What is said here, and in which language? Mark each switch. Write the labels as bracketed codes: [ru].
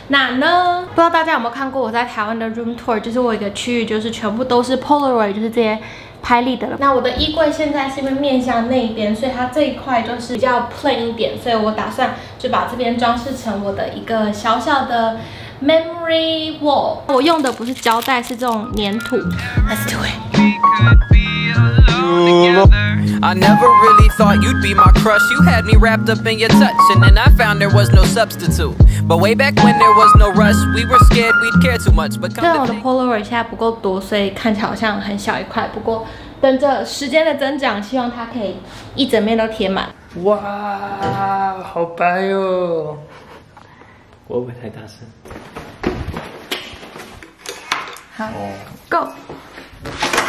[zh] 那呢，不知道大家有没有看过我在台湾的 room tour， 就是我一个区域就是全部都是 polaroid， 就是这些拍立得了。那我的衣柜现在是因为面向那边，所以它这一块就是比较 plain 一点，所以我打算就把这边装饰成我的一个小小的 memory wall。我用的不是胶带，是这种粘土。 [en] Let's do it。 I never really thought you'd be my crush. You had me wrapped up in your touch, and then I found there was no substitute. But way back when there was no rush, we were scared we'd care too much. [zh] But 虽然我的 Polaroid 现在不够多，所以看起来好像很小一块。不过等着时间的增长，希望它可以一整面都贴满。哇，好白哟！我会不会太大声？好 ，Go。